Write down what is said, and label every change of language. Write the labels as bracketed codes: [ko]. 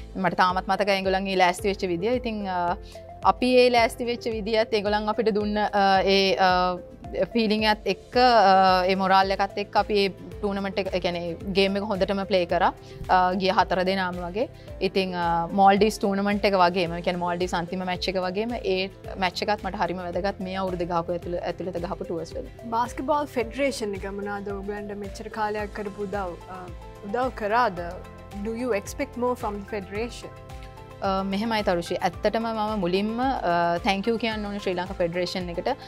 [si] මට තාමත් මතකයි ඒගොල්ලන් ඒ ලෑස්ති වෙච්ච විදිය. ඉතින් අපි ඒ ලෑස්ති වෙච්ච විදියත් ඒගොල්ලන් අපිට දුන්න ඒ ෆීලිංග් එකත් එක්ක ඒ මොරල් එකත් එක්ක අපි ඒ ටූර්නමන්ට් එක يعني ගේම් එක හොඳටම ප්ලේ කරා ගිය හතර දෙනාම වගේ. ඉතින් මෝල්ඩිස් ටූර්නමන්ට් එක වගේම يعني මෝල්ඩිස් අන්තිම මැච් එක වගේම ඒ මැච් එකත් මට හරිම වැදගත් මේ අවුරුදු ගහපු ඇතුළත ගහපු ටූර්ස් වල. බාස්කට්බෝල් ෆෙඩරේෂන් එක මොනවාද ඔබලන්ට මෙච්චර කාලයක් කරපු උදව් උදව් කරාද? [en] Do you expect more from the federation? [si] මෙහෙමයි තරුෂි, ඇත්තටම මම මුලින්ම thank you කියන්න ඕනේ ශ්‍රී ලංකා ෆෙඩරේෂන් එකට.